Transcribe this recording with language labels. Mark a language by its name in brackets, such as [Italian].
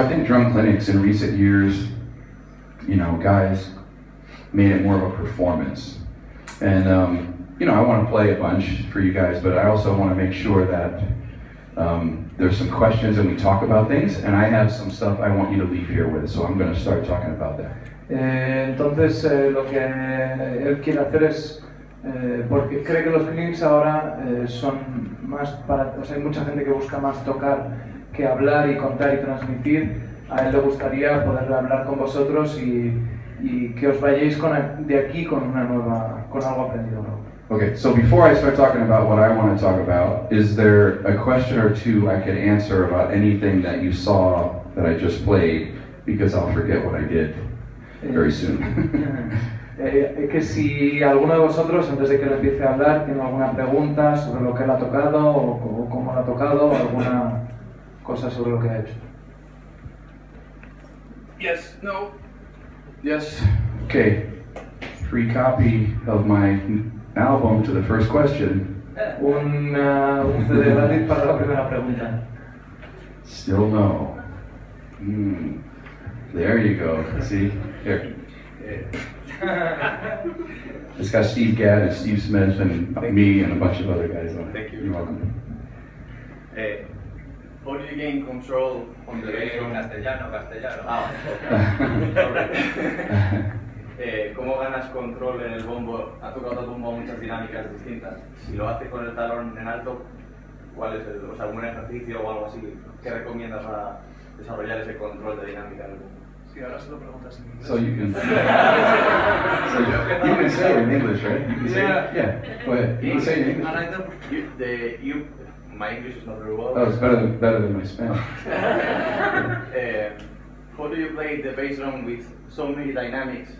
[English] So I think drum clinics in recent years, you know, guys made it more of a performance. And, you know, I want to play a bunch for you guys, but I also want to make sure that there's some questions and we talk about things, and I have some stuff I want you to leave here with, so I'm going to start talking about that. [Spanish] Entonces, lo que él quiere hacer es, porque cree que los clinics ahora son más para, o sea, hay mucha gente que busca más tocar que hablar y contar y transmitir, a él le gustaría poder hablar con vosotros y que os vayáis con de aquí con una nueva, con algo aprendido, ¿no? [English] Okay, so before I start talking about what I want to talk about, is there a question or two I could answer about anything that you saw that I just played? Because I'll forget what I did very soon. [Spanish] Que si alguno de vosotros, antes de que le empiece a hablar, tiene alguna pregunta sobre lo que él ha tocado, o cómo lo ha tocado, o alguna cosa sobre lo que ha hecho. [English] Yes, no. Yes. Okay. Free copy of my album to the first question. [Spanish] Un CD gratis para la primera pregunta. [English] Still no. There you go. See? Here. It's got Steve Gadd and Steve Smith and me and a bunch of other guys on it. Thank you. You're welcome. How do you gain control on the bass? [Spanish] Castellano. Ah, ¿cómo ganas control en el bombo? Ha tocado el bombo muchas dinámicas distintas. Si lo haces con el talón en alto, ¿cuál es el, o sea, algún ejercicio o algo así? ¿Qué recomiendas para desarrollar ese control de dinámica del bombo? [English] So you can you can say it in English, right? You can say you can say it in English. My English is not very well. Oh, it's better than my Spanish. How do you play the bass drum with so many dynamics?